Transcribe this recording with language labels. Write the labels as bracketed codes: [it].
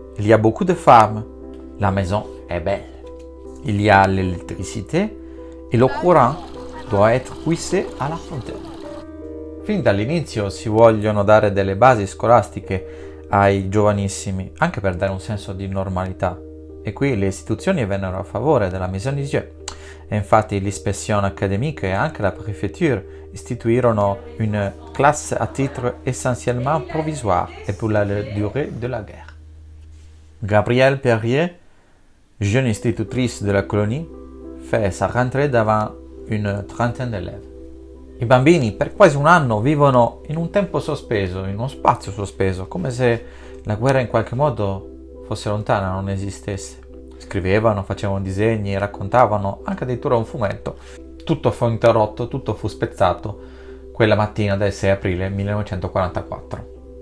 [fr] Il y a beaucoup de femmes, la maison est belle. Il y a l'électricité et le courant doit être puisé à la fontaine. [it] Fin dall'inizio si vogliono dare delle basi scolastiche ai giovanissimi, anche per dare un senso di normalità. E qui le istituzioni vennero a favore della Maison de Dieu. E infatti l'inspezione accademica e anche la préfecture istituirono una classe [fr] à titre essentiellement provisoire et pour la durée de la guerre. Gabrielle Perrier, jeune institutrice de la colonie, fait sa rentrée devant une trentaine d'élèves. [it] I bambini per quasi un anno vivono in un tempo sospeso, in uno spazio sospeso, come se la guerra in qualche modo fosse lontana, non esistesse. Scrivevano, facevano disegni, raccontavano, anche addirittura un fumetto. Tutto fu interrotto, tutto fu spezzato quella mattina del 6 aprile 1944.